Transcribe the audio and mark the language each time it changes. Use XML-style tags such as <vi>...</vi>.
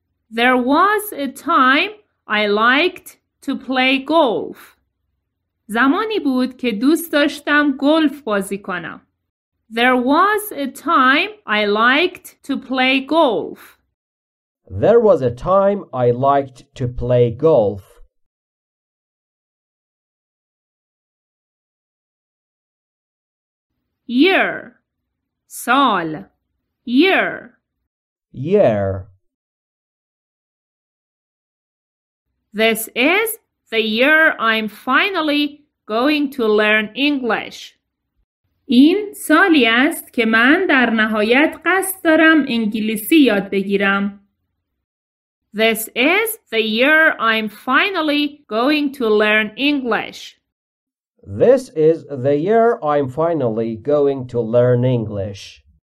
<en>There was a time I liked to play golf.</en> <fa>زمانی بود که دوست داشتم گلف بازی کنم.</fa> <en>There was a time I liked to play golf. There was a time I liked to play golf. Year. سال. Year. Year. This is the year I'm finally going to learn English.</en> <fa>این سالی است که من در نهایت قصد دارم انگلیسی یاد بگیرم.</fa> <en>This is the year I'm finally going to learn English. This is the year I'm finally going to learn English.</en>